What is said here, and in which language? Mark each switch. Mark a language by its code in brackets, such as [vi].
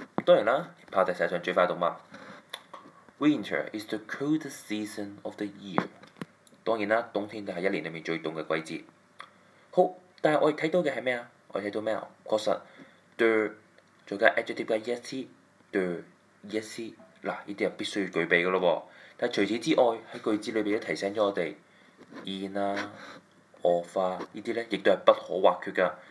[yue] 當然啦，跑在世上最快動物。 [en] Winter is the coldest season of the year。 [yue] 當然啦，冬天就係一年裏面最凍嘅季節。好，但係我哋睇到嘅係咩啊？我睇到咩啊？確實 ，the 再加 adjective 嘅 est the est 嗱，呢啲係必須要具備嘅咯喎。但係除此之外，喺句子裏邊都提醒咗我哋 in 啊 of 啊呢啲咧，亦都係不可或缺嘅。